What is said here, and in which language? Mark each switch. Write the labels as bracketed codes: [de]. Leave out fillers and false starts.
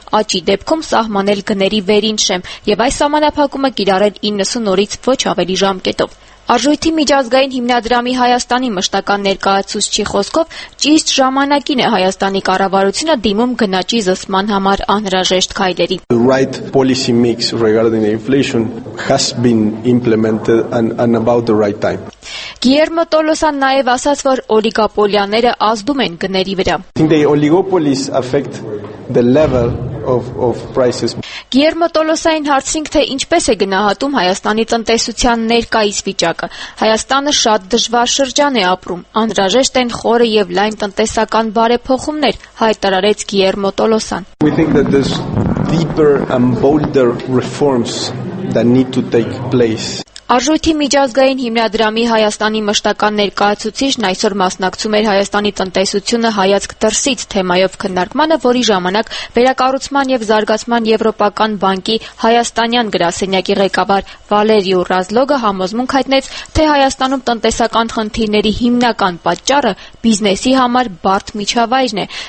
[hy] աճի դեպքում սահմանել գների վերին շեմ և այս սահմանափակումը կիրառել 90 օրից ոչ ավելի ժամկետով։ Արժույթի միջազգային հիմնադրամի Հայաստանի մշտական ներկայացուցչի խոսքով ճիշտ ժամանակին է Հայաստանի կառավարությունը դիմում գնաճի զսման համար անհրաժեշտ քայլերի։ [en] The right policy mix regarding inflation has been implemented and about the right time. [hy] Գիերմո Տոլոսան նաև ասաց, որ օլիգոպոլիաները ազդում են գների վրա։ [en] The oligopolies affect the level of prices. [hy] Գիերմո Տոլոսային հարցրինք, թե ինչպես է գնահատում Հայաստանի տնտեսության ներկայիս վիճակը։ Հայաստանը շատ դժվար շրջան է ապրում, անհրաժեշտ են խորը և լայն տնտեսական բարեփոխումներ, հայտարարեց Գիերմո Տոլոսան։ [en] We think that there's deeper and bolder reforms that need to take place. [hy] Արժույթի միջազգային հիմնադրամի Հայաստանի մշտական ներկայացուցիչն այսօր մասնակցում էր Հայաստանի տնտեսությունը հայացք դրսից թեմայով քննարկմանը, որի ժամանակ վերակառուցման և զարգացման Եվրոպական բանկի Հայաստանյան գրասենյակի ղեկավար Վալերիո Ռազլոգը համոզմունք հայտնեց, թե Հայաստանում տնտեսական խնդիրների հիմնական պատճառը բիզնեսի համար բարդ միջավայրն է։